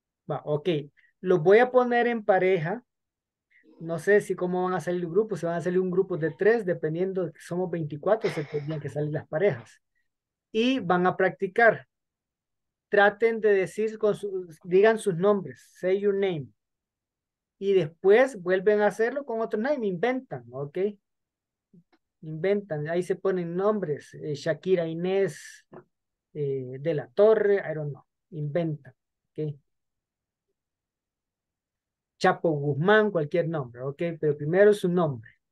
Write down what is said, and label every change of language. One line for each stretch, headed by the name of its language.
Spanish: Va, ok, los voy a poner en pareja. No sé si cómo van a salir el grupo. Se van a salir un grupo de tres, dependiendo, somos 24, se tendrían que salir las parejas. Y van a practicar. Traten de decir, digan sus nombres. Say your name. Y después vuelven a hacerlo con otro name. Inventan, ok. Inventan. Ahí se ponen nombres.
English: Shakira Inés, De La Torre, I don't know.
Spanish: Inventan, ok. Chapo Guzmán, cualquier nombre, ok, pero primero su nombre.